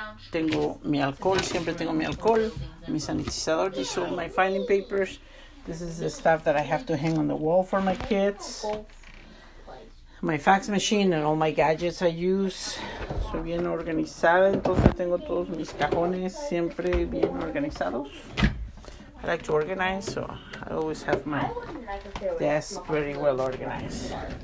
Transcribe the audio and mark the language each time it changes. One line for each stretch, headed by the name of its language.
Spanish: Tengo mi alcohol, siempre tengo mi alcohol, mi sanitizador.
English: These are my filing papers. This is the stuff that I have to hang on the wall for my kids. My fax machine and all my gadgets I use.
Spanish: Soy bien organizada, entonces tengo todos mis cajones siempre bien organizados.
English: I like to organize, so I always have my desk very well organized.